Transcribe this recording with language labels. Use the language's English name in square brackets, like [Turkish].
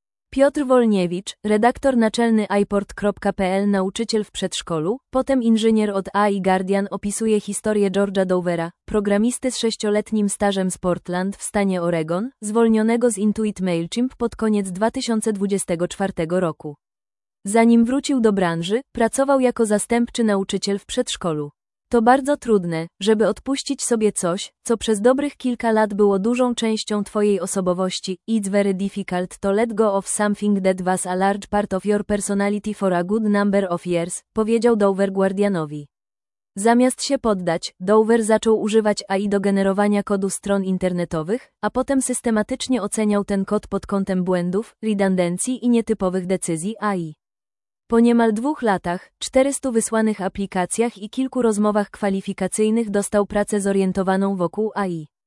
[Polish] Piotr Wolniewicz, redaktor naczelny iPort.pl, nauczyciel w przedszkolu, potem inżynier od AI Guardian, opisuje historię George'a Dovera, programisty z 6-letnim stażem z Portland w stanie Oregon, zwolnionego z Intuit MailChimp pod koniec 2024 roku. Zanim wrócił do branży, pracował jako zastępczy nauczyciel w przedszkolu. To bardzo trudne, żeby odpuścić sobie coś, co przez dobrych kilka lat było dużą częścią twojej osobowości. [English] It's very difficult to let go of something that was a large part of your personality for a good number of years, [Polish] powiedział Dover Guardianowi. Zamiast się poddać, Dover zaczął używać AI do generowania kodu stron internetowych, a potem systematycznie oceniał ten kod pod kątem błędów, redundancji i nietypowych decyzji AI. Po niemal 2 latach, 400 wysłanych aplikacjach i kilku rozmowach kwalifikacyjnych dostał pracę zorientowaną wokół AI.